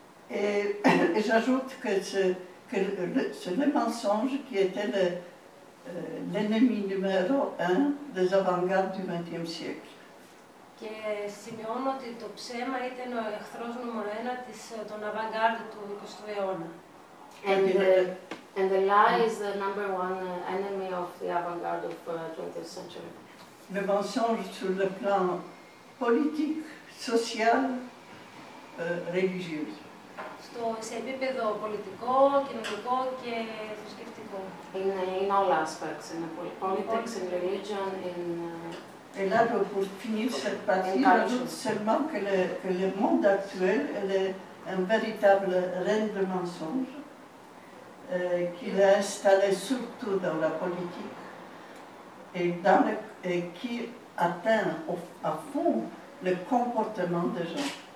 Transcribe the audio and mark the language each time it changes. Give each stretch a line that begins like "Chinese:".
French: Et j'ajoute que c'est le mensonge qui était l'ennemi numéro un des avant-gardes du XXe siècle.
Greek: Και σημειώνω ότι το ψέμα ήταν ο εχθρός νούμερο ένα των avant-garde του 20ου αιώνα.
English: And the lie is the number one enemy of the avant-garde of the 20th century.
French: Le mensonge sur le plan politique, social, religieux.
Greek: Σε επίπεδο πολιτικό, κοινωνικό και θρησκευτικό.
English: In all aspects, in politics, in religion, in...
French: Et là, pour finir cette partie, j'ajoute seulement que le monde actuel est un véritable règne de mensonges. qu'il a installé surtout dans la politique et, et qui atteint à fond le comportement des gens.